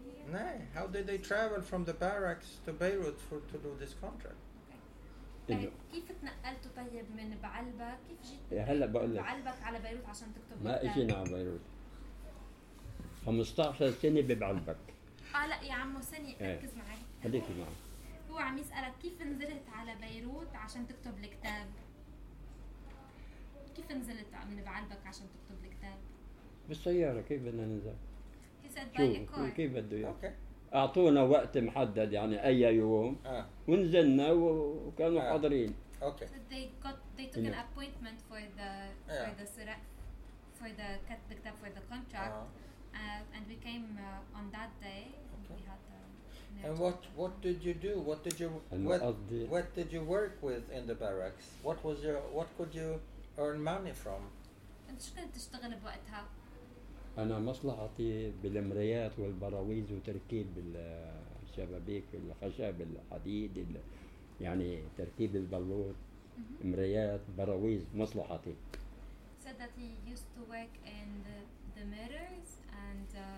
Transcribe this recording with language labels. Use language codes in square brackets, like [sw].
[en] Nah, how did they travel from the barracks to Beirut to do this contract? [ar] كيف تنقلتوا طيب من بعلبك كيف جيت هلا بقول لك بعلبك على بيروت عشان تكتب ما اجينا على بيروت 15 سنة ببعلبك لا يا عمو ثانية ركز معي خليكي معي هو عم يسألك كيف نزلت على بيروت عشان تكتب الكتاب كيف نزلت من بعلبك عشان تكتب الكتاب بالسيارة كيف بدنا ننزل شوف كيف بده يعني [en] okay. [ar] اعطونا وقت محدد يعني اي يوم ونزلنا وكانوا حاضرين [en] okay. so they took an appointment for the كتب for the contract and we came on that day okay. and what did you do what did you what did you work with in the barracks what could you earn money from [ar] انت شو كنت تشتغل بوقتها أنا مصلحتي بالمريات والبراويز وتركيب الشبابيك الخشب الحديد يعني تركيب البلوط مريات براويز مصلحتي. [en] Said that he used to work in the mirrors and